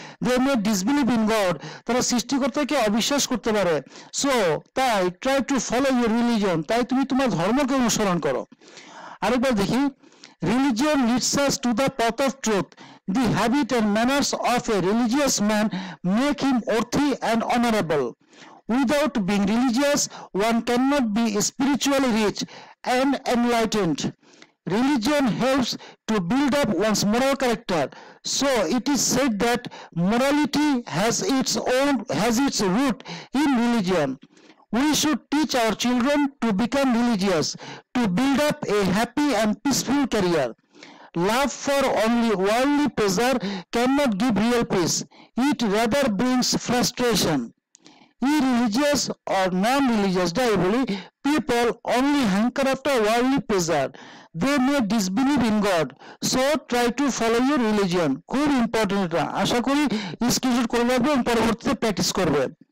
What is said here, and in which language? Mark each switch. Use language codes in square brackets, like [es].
[en] they may disbelieve in God, [bn] তারা সৃষ্টিকর্তাকে অবিশ্বাস করতে পারে। [en] so তাই try to follow your religion, [bn] তাই তুমি তোমার ধর্মকে অনুসরণ করো। আরেকবার দেখি, [en] Religion leads us to the path of truth, the habit and manners of a religious man make him worthy and honourable. Without being religious, one cannot be spiritually rich and enlightened. Religion helps to build up one's moral character. So it is said that morality has its root in religion. We should teach our children to become religious, to build up a happy and peaceful career. Love for only worldly pleasure cannot give real peace. It rather brings frustration. Irreligious or non religious [bn] যাই বলি, [en] People only hanker after worldly pleasure, they may disbelieve in God, so try to follow your religion. [bn] খুব important এটা, আশা করি screenshot করে রাখবে এবং পরবর্তীতে practice করবে।